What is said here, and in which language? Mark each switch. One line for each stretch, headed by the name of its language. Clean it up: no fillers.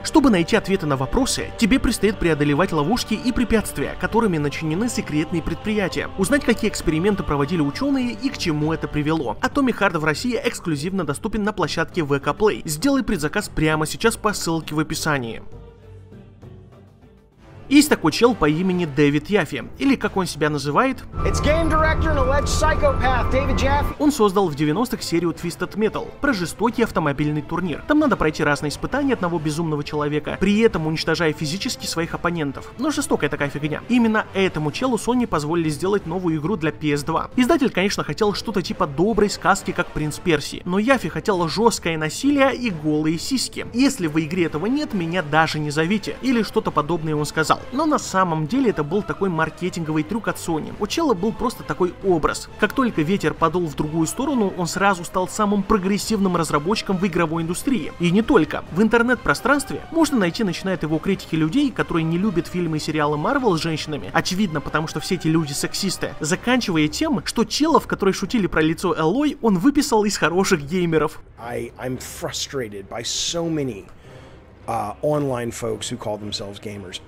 Russian: Чтобы найти ответы на вопросы, тебе предстоит преодолевать ловушки и препятствия, которыми начинены секретные предприятия, узнать, какие эксперименты проводили ученые и к чему это привело. Atomic Heart в России эксклюзивно доступен на площадке VK Play. Сделай предзаказ прямо сейчас по ссылке в описании. Есть такой чел по имени Дэвид Яффи, или как он себя называет?
English: It's game director and alleged psychopath, David Jaffe.
Russian: Он создал в 90-х серию Twisted Metal про жестокий автомобильный турнир. Там надо пройти разные испытания одного безумного человека, при этом уничтожая физически своих оппонентов. Но жестокая такая фигня. Именно этому челу Sony позволили сделать новую игру для PS2. Издатель, конечно, хотел что-то типа доброй сказки, как Принц Персии, но Яффи хотел жесткое насилие и голые сиськи. Если в игре этого нет, меня даже не зовите. Или что-то подобное он сказал. Но на самом деле это был такой маркетинговый трюк от Sony. У чела был просто такой образ. Как только ветер подул в другую сторону, он сразу стал самым прогрессивным разработчиком в игровой индустрии. И не только. В интернет-пространстве можно найти, начиная от его критики людей, которые не любят фильмы и сериалы Marvel с женщинами, очевидно, потому что все эти люди сексисты, заканчивая тем, что чела, в которой шутили про лицо Элой, он выписал из хороших геймеров.
English: I'm frustrated by so many. Online folks who call themselves gamers.